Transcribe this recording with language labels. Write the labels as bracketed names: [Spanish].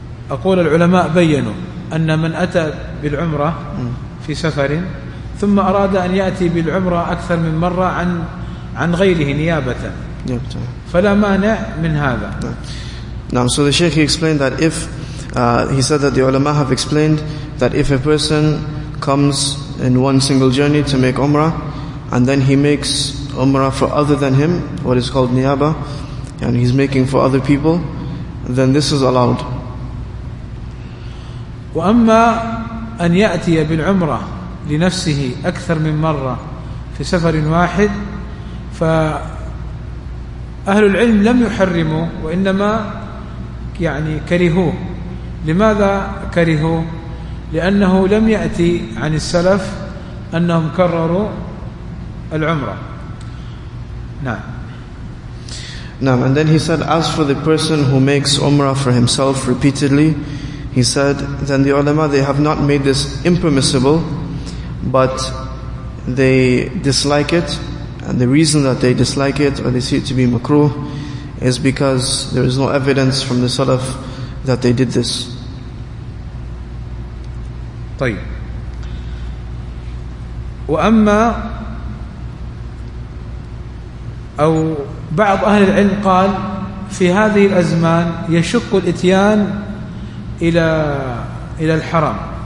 [Arabic] أقول العلماء بيّنوا أن من أتى بالعمرة في سفر ثم أراد أن يأتي بالعمرة أكثر من مرة عن غيره نيابة، فلا مانع من هذا. [English] Now, so the Sheikh, he explained that if he said that the ulama have explained that if a person comes in one single journey to make Umrah and then he makes Umrah for other than him, what is called niyaba, and he's making for other people, then this is allowed. [Arabic] وأما أن يأتي بالعمرة لنفسه أكثر من مرة في سفر واحد فأهل العلم لم يحرموا وإنما يعني كرهوه. لماذا كرهوه؟ لأنه لم يأتي عن السلف أنهم كرروا العمرة. نعم. نعم. [English] And then he said, as for the person who makes umrah for himself repeatedly, he said, then the ulama, they have not made this impermissible, but they dislike it. And the reason that they dislike it, or they see it to be makruh, is because there is no evidence from the salaf that they did this. [Arabic] طيب. وأما أو بعض أهل العلم قال في هذه الأزمان يشق الإتيان إلى الحرم،